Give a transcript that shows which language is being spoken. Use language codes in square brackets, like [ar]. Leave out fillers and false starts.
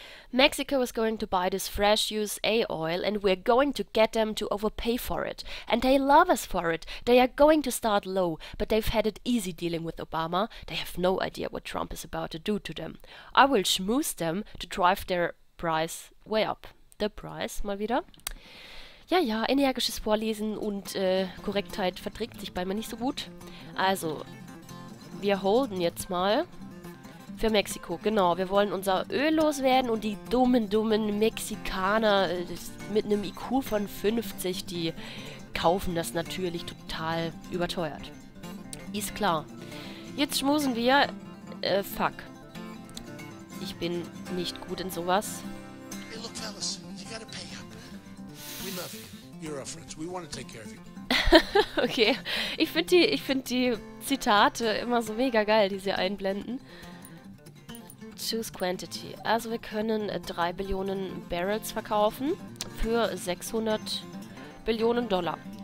[en] Mexico is going to buy this fresh USA oil and we're going to get them to overpay for it. And they love us for it. They are going to start low, but they've had it easy dealing with Obama. They have no idea what Trump is about to do to them. I will schmooze them to drive their price way up. The price, [de] mal wieder. Ja, ja, energisches Vorlesen und Korrektheit verträgt sich bei mir nicht so gut. Also, wir holden jetzt mal. Für Mexiko, genau. Wir wollen unser Öl loswerden und die dummen Mexikaner mit einem IQ von 50, die kaufen das natürlich total überteuert. Ist klar. Jetzt schmusen wir. Fuck. Ich bin nicht gut in sowas. [en] Hey, look, fellas, you gotta pay up. We love you. You're our friends. We want to take care of you. [de] Okay, ich find die Zitate immer so mega geil, die sie einblenden. [en] Choose Quantity. [de] Also wir können 3 Billionen Barrels verkaufen für 600 Billionen Dollar.